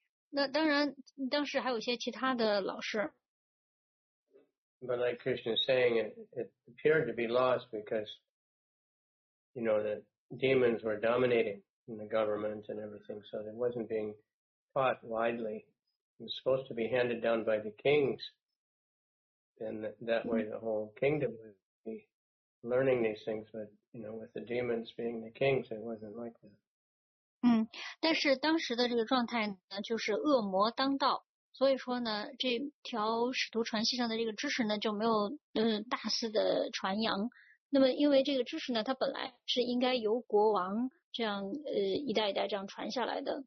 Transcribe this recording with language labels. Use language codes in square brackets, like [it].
[zh] 那当然，当时还有些其他的老师。 [en] But like Krishna is saying, it appeared to be lost because, you know, the demons were dominating in the government and everything, so it wasn't being taught widely. It was supposed to be handed down by the kings, and that way the whole kingdom would be learning these things, but, you know, with the demons being the kings, it wasn't like that. [zh] 但是当时的这个状态呢，就是恶魔当道。所以说呢，这条使徒传系上的这个知识呢，就没有大肆的传扬。那么，因为这个知识呢，它本来是应该由国王这样一代一代这样传下来的。